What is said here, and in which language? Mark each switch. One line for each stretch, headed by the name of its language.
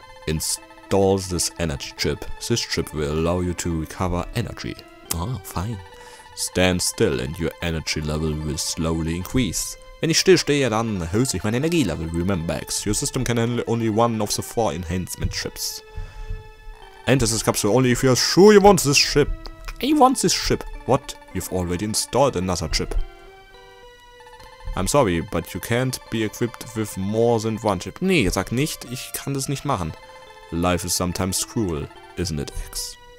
English: Installs this energy chip. This chip will allow you to recover energy. Ah, fine. Stand still and your energy level will slowly increase.
German: Wenn ich stillstehe, dann erhöht sich mein Energielevel.
English: Remember, X. Your system can handle only one of the four enhancement chips. Enter this capsule only if you are sure you want this chip. I want this chip. What? You've already installed another chip. I'm sorry, but you can't be equipped with more than one chip.
German: Nee, sag nicht, ich kann das nicht machen.
English: Life is sometimes cruel, isn't it, X?